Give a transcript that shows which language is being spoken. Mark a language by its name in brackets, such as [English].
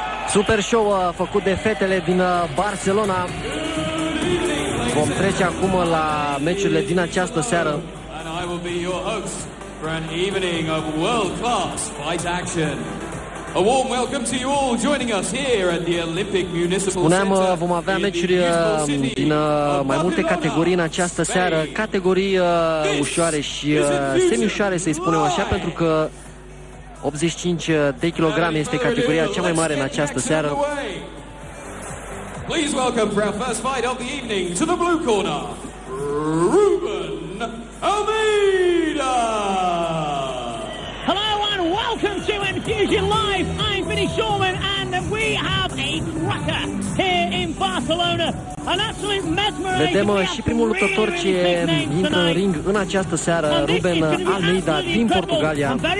[Romanian] Super show făcut de fetele din Barcelona. Vom trece acum la meciurile din această seară. [English] And I will be your host for an evening of world-class fight action. A warm welcome to you all joining us here at the Olympic Municipal Center. [Romanian] Spuneam, vom avea meciuri din mai multe categorii în această seară. Categorii ușoare și semi-ușoare, să-i spunem așa, pentru că 85 de kilograme este categoria cea mai mare în această seară. [English] Please welcome for our first fight of the evening to the blue corner, Ruben Almeida. Hello and welcome to Infusion Live. I'm Vinny Shawman and we have a cracker here in Barcelona. [Romanian] Vedem și primul luptător ce intră în ring în această seară, Ruben Almeida din Portugalia.